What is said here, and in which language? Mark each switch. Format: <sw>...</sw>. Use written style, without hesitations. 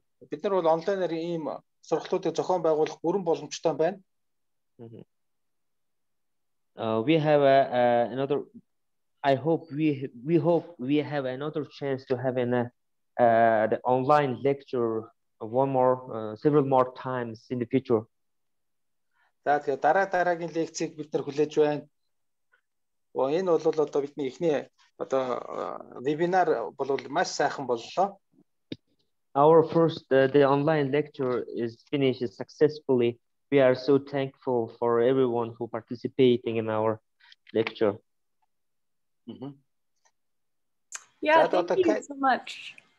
<mn>Бид нар бол онлайнаар ийм сургалтуудыг зохион байгуулах бүрэн боломжтой байна.</mn> <en>We have another we have another chance to have an the online lecture one more several more times in the future.</en> <mn>За тэгээ дараа дараагийн лекцийг бид нар хүлээж байна. Оо энэ бол одоо бидний эхний одоо вебинар бол маш сайхан боллоо.</mn> <en>Our first the online lecture is finished successfully. We are so thankful for everyone who participating in our lecture. Mm-hmm. Yeah, thank you so much.</en>